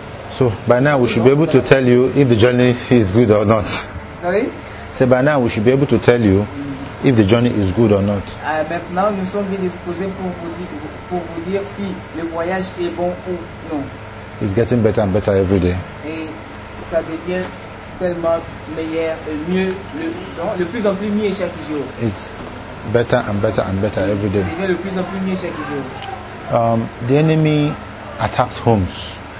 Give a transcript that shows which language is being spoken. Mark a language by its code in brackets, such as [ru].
[en] So by now we should be able to tell you if the journey is good or not. Sorry? So by now we should be able to tell you if the journey is good or not. [fr] Maintenant nous sommes bien disposés pour vous dire si le voyage est bon ou non. [en] It's getting better and better every day. [fr] Et ça devient tellement meilleur, mieux, le plus en plus mieux chaque jour. [en] It's better and better and better every day. [fr] Devient le plus en plus mieux chaque jour. [en] The enemy attacks homes.